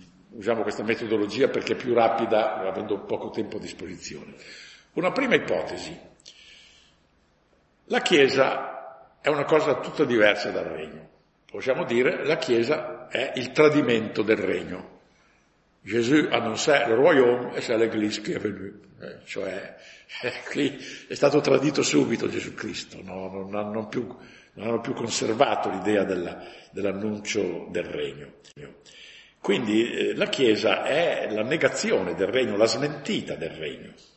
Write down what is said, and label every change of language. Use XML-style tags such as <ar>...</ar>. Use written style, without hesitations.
<it>Usiamo questa metodologia perché è più rapida, avendo poco tempo a disposizione. Una prima ipotesi. La Chiesa è una cosa tutta diversa dal regno. Possiamo dire la Chiesa è il tradimento del regno.</it> <fr>Gesù annonçait le royaume et c'est l'église qui est venue.</fr> <it>Cioè, qui è stato tradito subito Gesù Cristo, no? non hanno più conservato l'idea dell'annuncio del regno. Quindi la Chiesa è la negazione del regno, la smentita del regno.</it>